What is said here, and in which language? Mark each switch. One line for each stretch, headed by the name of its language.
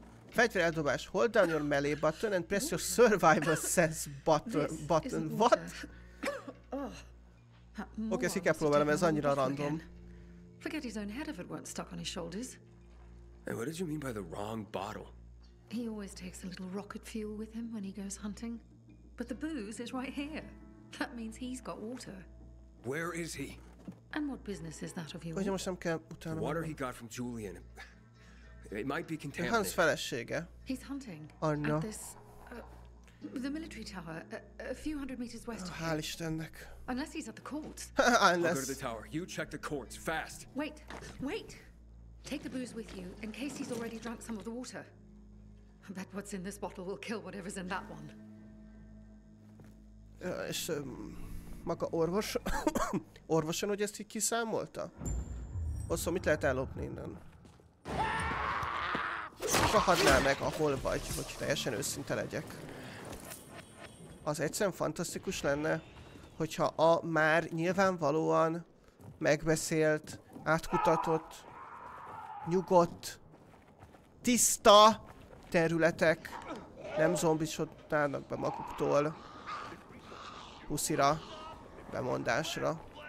English: Fegyvereldobás. Hold down your melee button and press your survival sense button. What?
Hungarian: Oké, ezt ki kell próbálnom, ez annyira random.
English: Forget his own head if it weren't stuck on his shoulders. Hey, what did you mean by the wrong bottle? He always takes a little rocket fuel with him when he goes hunting. But the booze is right here. That means he's got water. Where is he? And what business is that of yours?
Hungarian: Hogy most nem kell utána.
English: Water he got from Julian. It might be contaminated.
Hungarian: Hans felesége.
English: He's hunting. Oh no. At this, the military tower, a few hundred meters west of here.
Hungarian: Hál' Istennek.
English: Unless he's at the courts. Unless. I'll go to the tower. You check the courts, fast. Wait, wait. Take the booze with you, in case he's already drunk some of the water. I bet what's in this bottle will kill whatever's in that one.
Hungarian: És maga orvos, orvosan, hogy ezt így kiszámolta? Oszó, mit lehet ellopni innen? Rahadnál meg, ahol vagy, hogy teljesen őszinte legyek. Az egyszerűen fantasztikus lenne, hogyha a már nyilvánvalóan megbeszélt, átkutatott, nyugodt, tiszta területek nem zombisodnának be maguktól puszira, bemondásra.